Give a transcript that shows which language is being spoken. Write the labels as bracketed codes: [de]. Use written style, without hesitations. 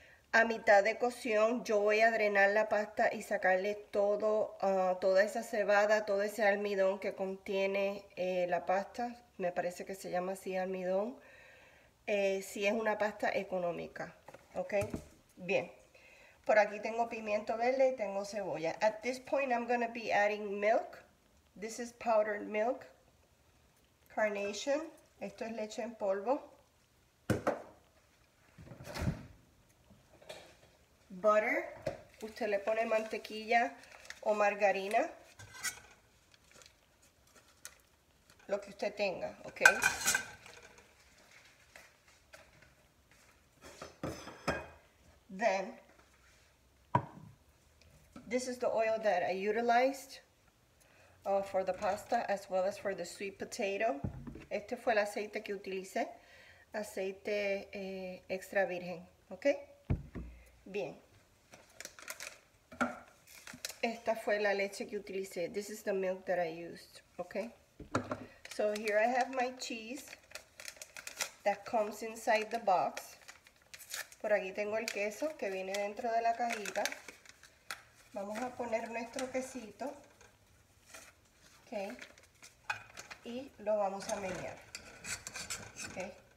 [es] A mitad de cocción, yo voy a drenar la pasta y sacarle todo, toda esa cebada, todo ese almidón que contiene la pasta. Me parece que se llama así, almidón. Si es una pasta económica, ¿ok? Bien. Por aquí tengo pimiento verde y tengo cebolla. [en] At this point, I'm going to be adding milk. This is powdered milk. Carnation. [es] Esto es leche en polvo. Butter, usted le pone mantequilla o margarina, lo que usted tenga, ok. [en] Then, this is the oil that I utilized for the pasta as well as for the sweet potato. [es] Este fue el aceite que utilicé, aceite extra virgen, ok. Bien. Esta fue la leche que utilicé. [en] This is the milk that I used, okay? So here I have my cheese that comes inside the box. [es] Por aquí tengo el queso que viene dentro de la cajita. Vamos a poner nuestro quesito, okay? Y lo vamos a menear, okay?